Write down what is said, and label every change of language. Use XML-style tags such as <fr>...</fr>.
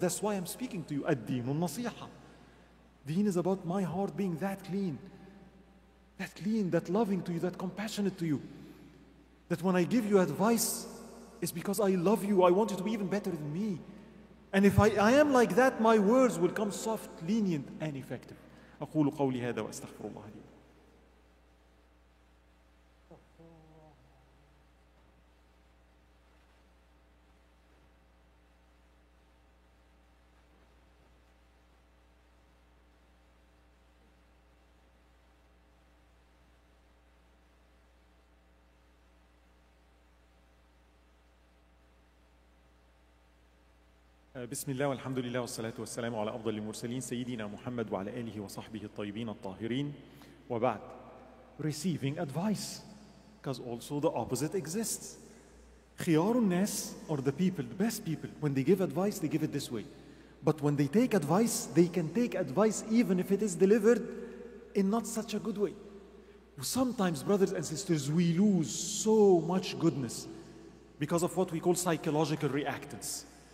<en>That's why I'm speaking to you. Ad-deenun nasiha. Deen is about my heart being that clean. That clean, that loving to you, that compassionate to you. That when I give you advice, it's because I love you. I want you to be even better than me. And if I am like that, my words will come soft, lenient, and effective.</en> <ar>أقول قولي هذا وأستغفر الله لي. بسم الله والحمد لله والصلاة والسلام على أفضل المرسلين سيدنا محمد وعلى آله وصحبه الطيبين الطاهرين وبعد</ar> <en>receiving advice because also the opposite exists.</en> <ar>خيار الناس</ar> <en>are the people, the best people. When they give advice, they give it this way. But when they take advice, they can take advice even if it is delivered in not such a good way. Sometimes, brothers and sisters, we lose so much goodness because of what we call psychological reactance.</en>